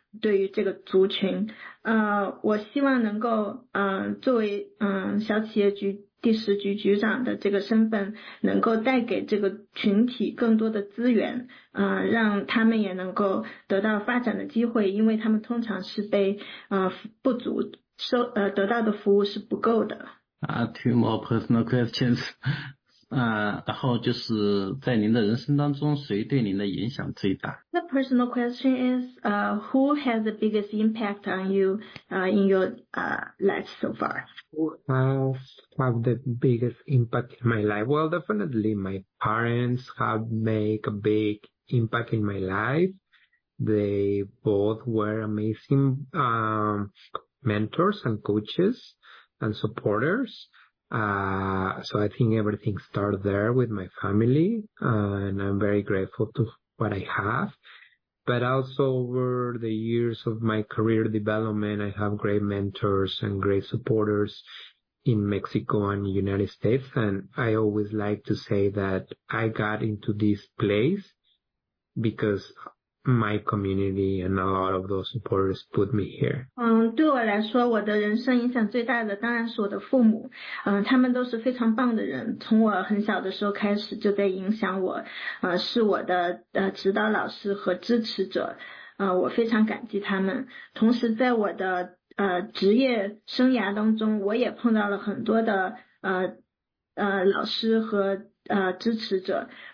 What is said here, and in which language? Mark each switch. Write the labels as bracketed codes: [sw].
[zh] 对于这个族群，我希望能够，作为小企业局第十局局长的这个身份，能够带给这个群体更多的资源，让他们也能够得到发展的机会，因为他们通常是被不足，得到的服务是不够的。 [en] Two more personal questions. [zh] 然后就是在您的人生当中，谁对您的影响最大？ [en] Personal question is, who has the biggest impact on you in your life so far? Who has had the biggest impact in my life? Well, definitely my parents have made a big impact in my life. They both were amazing mentors and coaches and supporters. So I think everything started there with my family, and I'm very grateful to what I have. But also over the years of my career development, I have great mentors and great supporters in Mexico and United States. And I always like to say that I got into this place because my community and a lot of those supporters put me here. [zh] 对我来说，我的人生影响最大的当然是我的父母。他们都是非常棒的人，从我很小的时候开始就在影响我，是我的指导老师和支持者，我非常感激他们。同时在我的职业生涯当中，我也碰到了很多的老师和支持者。